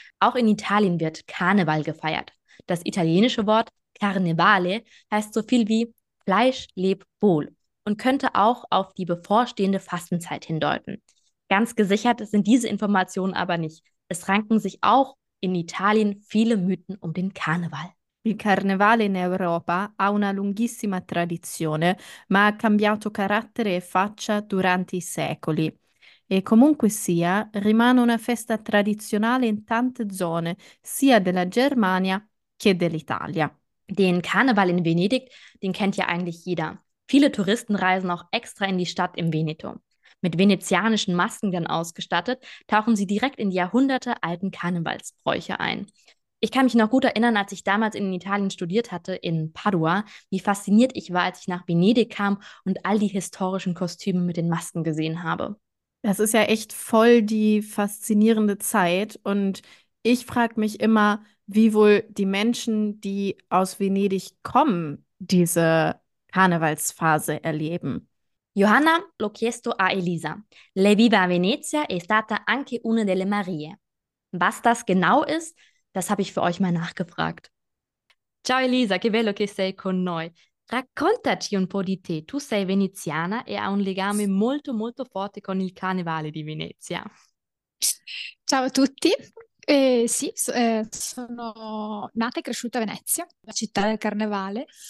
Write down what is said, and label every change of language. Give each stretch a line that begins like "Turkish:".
German: Auch in Italien wird Karneval gefeiert. Das italienische Wort Carnevale heißt so viel wie Fleisch, leb wohl und könnte auch auf die bevorstehende Fastenzeit hindeuten. Ganz gesichert sind diese Informationen aber nicht. Es ranken sich auch in Italien viele Mythen um den Karneval.
Italian: Il carnevale in Europa ha una lunghissima tradizione, ma ha cambiato carattere e faccia durante i secoli. E comunque sia, rimane una festa tradizionale in tante zone, sia della Germania che dell'Italia.
German: Den Karneval in Venedig, den kennt ja eigentlich jeder. Viele Touristen reisen auch extra in die Stadt im Veneto. Mit venezianischen Masken dann ausgestattet, tauchen sie direkt in die jahrhundertealten Karnevalsbräuche ein. Ich kann mich noch gut erinnern, als ich damals in Italien studiert hatte, in Padua, wie fasziniert ich war, als ich nach Venedig kam und all die historischen Kostüme mit den Masken gesehen habe. Das ist ja echt voll die faszinierende Zeit. Und ich frage mich immer, wie wohl die Menschen, die aus Venedig kommen, diese Karnevalsphase erleben.
Italian: Johanna, l'ho chiesto a Elisa. Lei vive a Venezia e è stata anche una delle Marie.
German: Was das genau ist, das habe ich für euch mal nachgefragt.
Italian: Ciao Elisa, che bello che sei con noi. Raccontaci un po' di te. Tu sei veneziana e hai un legame molto molto forte con il carnevale di Venezia. Ciao a tutti. Sono nata e cresciuta a Venezia, la città del carnevale.